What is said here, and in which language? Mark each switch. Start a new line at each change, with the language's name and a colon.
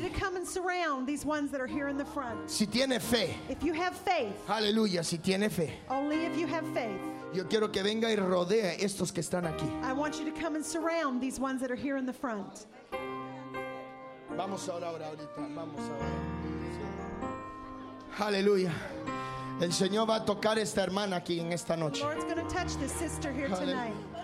English: You to come and surround these ones that are here in the front.
Spanish: Si tiene fe.
English: If you have faith.
Spanish: Aleluya, si tiene fe.
English: Only if you have faith.
Spanish: Yo quiero que venga y rodee estos que están aquí.
English: I want you to come and surround these ones that are here in the front.
Spanish: Vamos a orar ahorita, vamos a orar. Aleluya. El Señor va a tocar esta hermana aquí en esta noche.
English: The Lord's going to touch this sister here tonight.